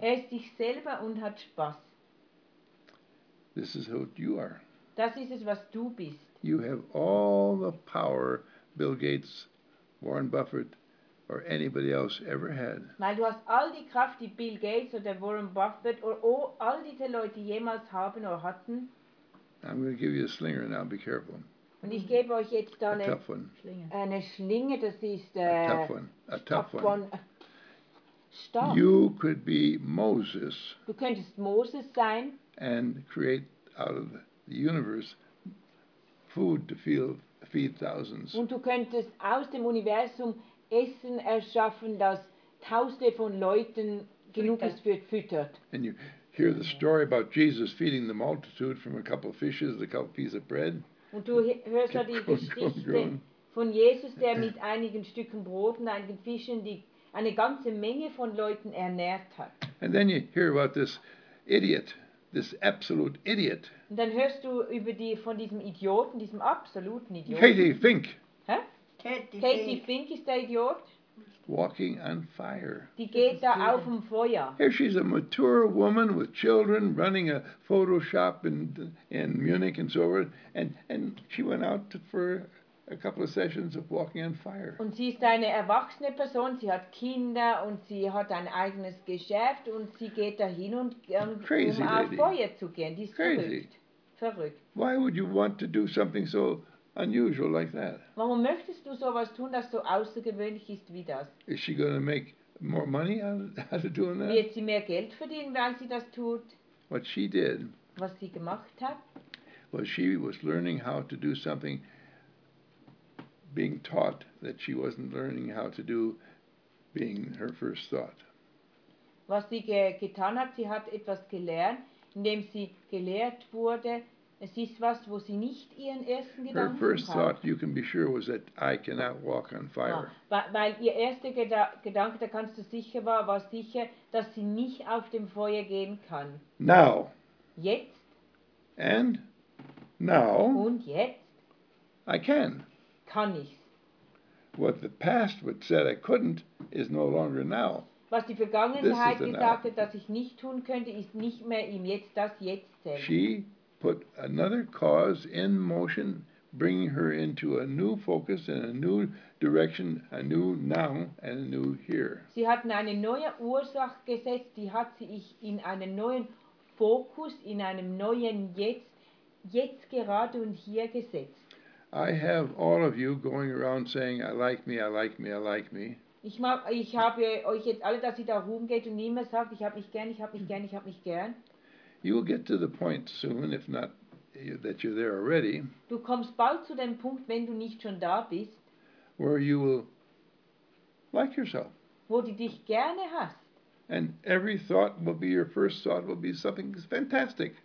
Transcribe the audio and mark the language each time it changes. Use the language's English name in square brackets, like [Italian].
[German] Er ist sich selber und hat Spaß. [English] This is who you are. [German] Das ist es, was du bist. [English] You have all the power Bill Gates, Warren Buffett, or anybody else ever had. [German] Weil du hast all die Kraft, die Bill Gates oder Warren Buffett oder all diese Leute jemals haben oder hatten. [English] I'm going to give you a slinger now. Be careful. [German] Und ich gebe euch jetzt da eine Schlinge. Das ist [English] a tough one. Stop. You could be Moses. [German] Du könntest Moses sein. [English] And create out of the universe food to feed thousands. [German] Und du könntest aus dem Universum Essen erschaffen, das Tausende von Leuten genug ist für füttert. [English] And you hear the story about Jesus feeding the multitude from a couple of fishes, a couple of pieces of bread. [German] Und du hörst die Geschichte von Jesus, der mit einigen Stücken Brot und einigen Fischen die eine ganze Menge von Leuten ernährt hat. [English] And then you hear about this idiot. This absolute idiot. [German] Und dann hörst du über die von diesem Idioten, diesem absoluten Idioten. [English] Katie Fink. [German] Katie Fink ist der Idiot. [English] Walking on fire. [German] Die geht da auf dem Feuer. [English] Here she's a mature woman with children, running a photo shop in Munich and so forth, and she went out for a couple of sessions of walking on fire. [German] Und sie ist eine erwachsene Person, sie hat Kinder und sie hat ein eigenes Geschäft und sie geht dahin und [English] crazy um lady. [German] Auf Feuer zu gehen. Die ist verrückt. [English] Why would you want to do something so unusual like that? [German] Warum möchtest du sowas tun, das so außergewöhnlich ist wie das? [English] Is she going to make more money out of doing that? [German] Wird sie mehr Geld verdienen, weil sie das tut? [English] What she did. [German] Was sie gemacht hat? [English] Well, she was learning how to do something being taught that she wasn't learning how to do being her first thought. [German] Was sie getan hat, sie hat etwas gelernt, indem sie gelehrt wurde, Es ist was, wo sie nicht ihren ersten Gedanken [English] Her first thought, you can be sure, was that I cannot walk on fire. [German] Weil ihr erster Gedanke, da kannst du sicher war sicher, dass sie nicht auf dem Feuer gehen kann. [English] Now. [German] Jetzt. [English] And now. [German] Und jetzt. [English] I can. [German] Kann ich's. [English] What the past would said I couldn't is no longer now. [German] Was die Vergangenheit gesagt hat, dass ich nicht tun könnte, ist nicht mehr im Jetzt, das Jetzt selbst. [English] She put another cause in motion, bringing her into a new focus and a new direction, a new now and a new here. [German] Sie hatten eine neue Ursache gesetzt, die hat sich in einen neuen Fokus, in einem neuen Jetzt, jetzt gerade und hier gesetzt. [English] I have all of you going around saying, I like me, I like me, I like me. [German] Ich habe euch jetzt alle, dass ihr da rumgeht und niemand sagt, ich habe mich gern, ich habe mich gern, ich habe mich gern. [English] You will get to the point soon, if not that you're there already. [German] Du kommst bald zu dem Punkt, wenn du nicht schon da bist. [English] Where you will like yourself. [German] Wo du dich gerne hast. [English] And every thought will be your first thought, will be something fantastic.